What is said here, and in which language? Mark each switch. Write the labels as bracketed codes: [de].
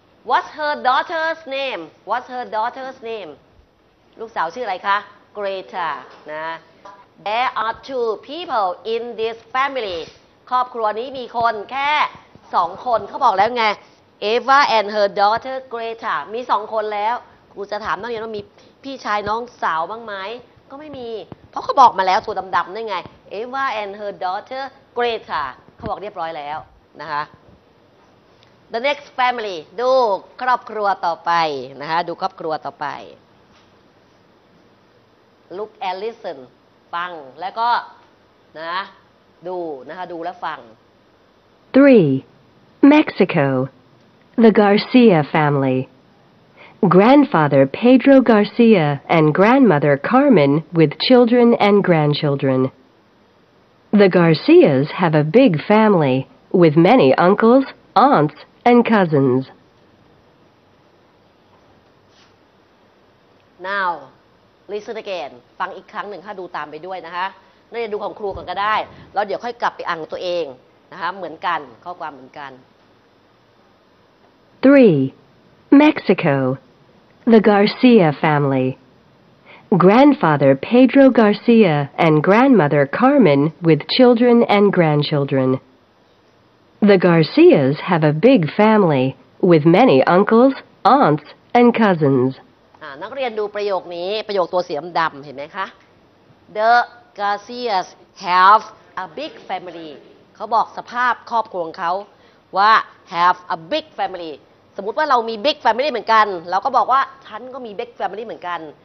[en] What's her daughter's name [th] What's her daughter's name ลูกสาวชื่ออะไรคะ Greta นะ [en] There are two people in this family [th] ครอบครัวนี้มีคนแค่2คนเขาบอกแล้วไง [en] Eva and her daughter Greta [th] มี2คนแล้วกูจะถามน้องเรียนว่ามีพี่ชายน้องสาวบ้างไหมก็ไม่มีเพราะเขาบอกมาแล้วตัวดำๆนั่นไง Eva and her daughter Greta เขาบอกเรียบร้อยแล้วนะคะ [en] The next family [th] ดูครอบครัวต่อไปนะคะดูครอบครัวต่อไป [en] Look and listen [th] ฟังแล้วก็นะดูนะคะดูแล้วฟัง [en] 3. MexicoThe Garcia family. Grandfather Pedro Garcia and grandmother Carmen with children and grandchildren. The Garcias have a big family with many uncles, aunts, and cousins. Now, listen again. [th] ฟังอีกครั้งหนึ่งถ้าดูตามไปด้วยนะคะน่าจะดูของครูก็ได้แล้วเดี๋ยวค่อยกลับไปอ่านตัวเองนะคะเหมือนกันข้อความเหมือนกัน [en] 3. Mexico. The Garcia family. Grandfather Pedro Garcia and grandmother Carmen with children and grandchildren. The Garcias have a big family with many uncles, aunts, and cousins. [th] นักเรียนดูประโยคนี้ประโยคตัวสีดำเห็นไหมคะ [en] The Garcias have a big family. [th] เขาบอกสภาพครอบครัวของเขาว่า [en] have a big family. [th] สมมติว่าเรามี [en] big family [th] เหมือนกันเราก็บอกว่าฉันก็มี big family เหมือนกัน